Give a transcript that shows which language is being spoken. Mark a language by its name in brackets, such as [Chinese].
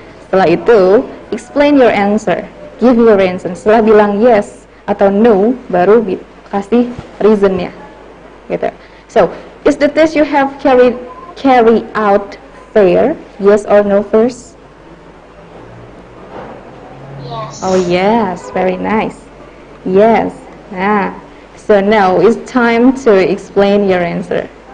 [Indonesian] Setelah itu, [English] explain your answer, give your reason. [Indonesian] Setelah bilang yes atau no, baru kasih reasonnya, gitu. [English] So, is the test you have carry out fair, yes or no first? Oh yes, very nice. Yes. Yeah. So now it's time to explain your answer.